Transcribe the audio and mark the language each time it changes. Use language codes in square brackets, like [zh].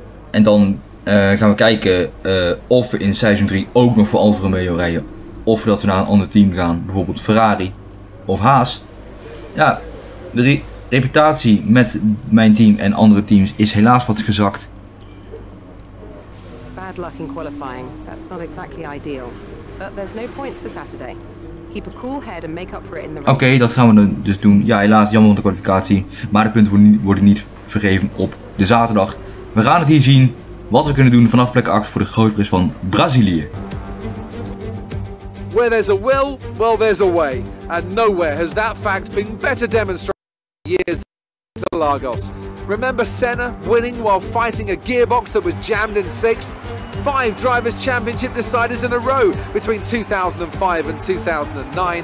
[nl] En dan gaan we kijken of we in seizoen 3 ook nog voor Alfa Romeo rijden. Of dat we naar een ander team gaan, bijvoorbeeld Ferrari of Haas. Ja, de reputatie met mijn team en andere teams is helaas wat gezakt. [en] Bad luck in qualifying. That's not exactly ideal. But there's no points for Saturday. Keep a cool head and make up for it in the race. [nl] Oké, okay, dat gaan we dus doen. Ja, helaas, jammer van de kwalificatie. Maar de punten worden niet vergeven op de zaterdag. We gaan het hier zien wat we kunnen doen vanaf plek 8 voor de Grote Prijs van Brazilië. [en] Where there's a will, well there's a way. And nowhere has that fact been better demonstrated in years than Lagos. Remember Senna winning while fighting a gearbox that was jammed in sixth? Five Drivers' Championship deciders in a row between 2005 and 2009.